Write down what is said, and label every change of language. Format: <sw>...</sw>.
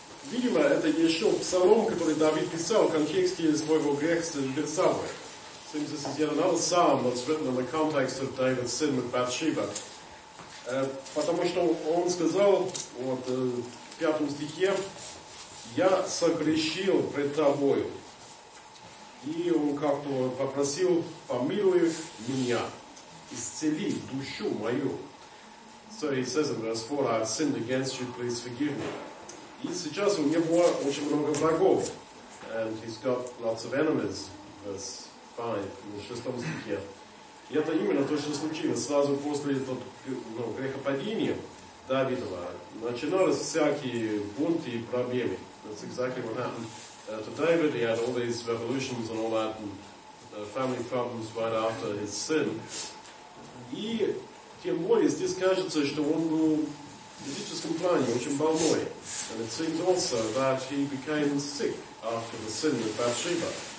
<ru>Видимо, это еще псалом, который Давид писал в контексте своего греха с Бетсавой.</ru> <en>Seems this is yet another psalm that's written in the context of David's sin with Bathsheba.</en> <ru>Потому что он сказал вот, в 5 стихе, «Я согрешил пред тобой». И он как-то попросил, помилуй меня, исцели душу мою.</ru> <en>30 says in verse 4, I have sinned against you, please forgive me.</en> <ru>И сейчас у него очень много врагов.</ru> <en>And he's got lots of enemies. Verse 5,</en> <ru>в 6 стихе. И это именно то, что случилось сразу после этого грехопадения Давидова. Начинались всякие бунты и проблемы.</ru> <en>That's exactly what happened to David. He had all these revolutions and all that, and family problems right after his sin.</en> <ru>И тем более здесь кажется, что он был в физическом плане очень больной.</ru> <en>And it seems also that he became sick after the sin with Bathsheba.</en>